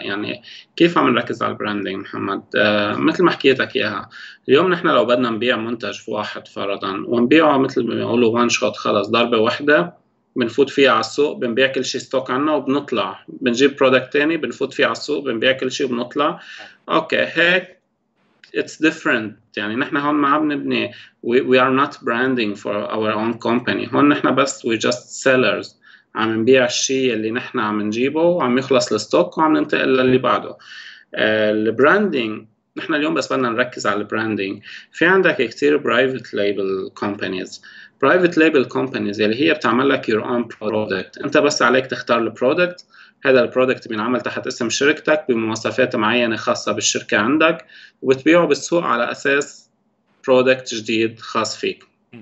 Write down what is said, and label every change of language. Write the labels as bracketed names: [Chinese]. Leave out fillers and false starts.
[Arabic] يعني كيف عم نركز على البراندينج محمد؟ مثل ما حكيتك اياها، اليوم نحن لو بدنا نبيع منتج في واحد فرضا، ونبيعه مثل ما بيقولوا وان شوت، خلص ضربه واحده بنفوت فيها على السوق، بنبيع كل شيء ستوك عنا وبنطلع، بنجيب برودكت ثاني بنفوت فيه على السوق بنبيع كل شيء وبنطلع. اوكي هيك [English] it's different. [Arabic] يعني نحن هون ما عم نبني [English] we are not branding for our own company. [Arabic] هون نحن بس [English] we just sellers، [Arabic] عم نبيع الشيء اللي نحن عم نجيبه وعم يخلص الستوك وعم ننتقل للي بعده. البراندينج نحن اليوم بس بدنا نركز على البراندينج. في عندك كتير private label companies، private label companies اللي هي بتعمل لك [English] your own product، [Arabic] انت بس عليك تختار البرودكت، هذا البرودكت بينعمل تحت اسم شركتك بمواصفات معينة خاصة بالشركة عندك، وبتبيعه بالسوق على أساس برودكت جديد خاص فيك.